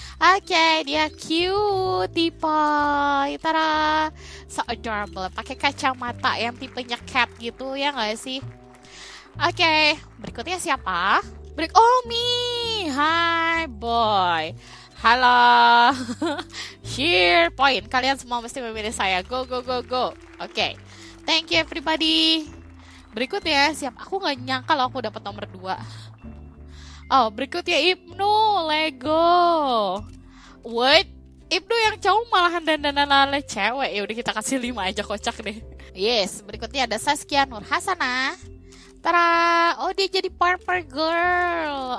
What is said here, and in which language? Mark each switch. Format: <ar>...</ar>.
<id>Oke, dia cute tipe, tara,</id> <en>so adorable.</en> <id>Pakai kacamata yang tipenya cat gitu, ya gak sih? Oke, berikutnya siapa?</id> <en>Oh, me! Hi, boy!</en> <id>Halo!</id> <en>Here, point!</en> <id>Kalian semua mesti memilih saya.</id> <en>Go, go, go, go! Oke, thank you everybody!</en> <id>Berikutnya, siap. Aku gak nyangka loh aku dapat nomor 2. Oh, berikutnya Ibnu, Lego.</id> <en>What?</en> <id>Ibnu yang cowok malahan dandan-dandan cewek. Ya udah kita kasih 5 aja, kocak deh. Yes, berikutnya ada Saskia Nurhasana. Tara, oh dia jadi purple girl.</id>